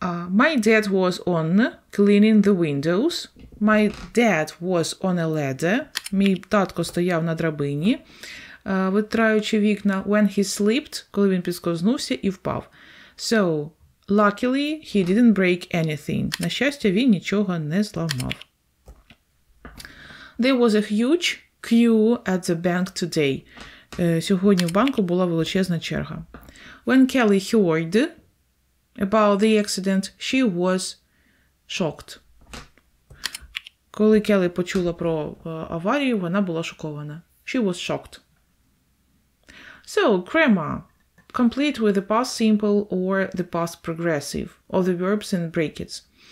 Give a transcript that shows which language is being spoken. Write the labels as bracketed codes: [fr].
[en] My dad was on cleaning the windows. My dad was on a ladder. [uk] Мій татко стояв на драбині. Витраючи вікна, [en] when he slipped, [uk] коли він підскознувся і впав. [en] So, luckily, he didn't break anything. [uk] На щастя, він нічого не зламав. [en] There was a huge queue at the bank today. [uk] Сьогодні в банку була величезна черга. [en] When Kelly heard about the accident, she was shocked. [uk] Коли Келлі почула про аварію, вона була шокована. [en] She was shocked. So, grammar. Complete with the past simple or the past progressive of the verbs in brackets.